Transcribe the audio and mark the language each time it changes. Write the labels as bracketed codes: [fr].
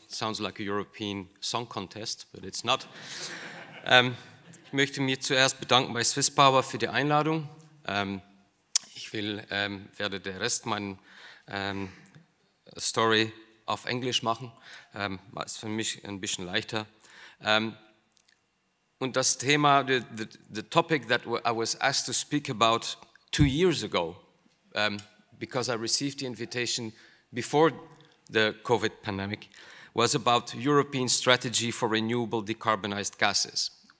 [en] Sounds like a European Song Contest, but it's not. [de] Ich möchte mich zuerst bedanken bei Swiss Power für die Einladung. Ich werde den Rest meiner Story auf Englisch machen. Das ist für mich ein bisschen leichter. Und das Thema, [en] the topic that I was asked to speak about 2 years ago, because I received the invitation before the COVID pandemic, was about European strategy for renewable decarbonized gases.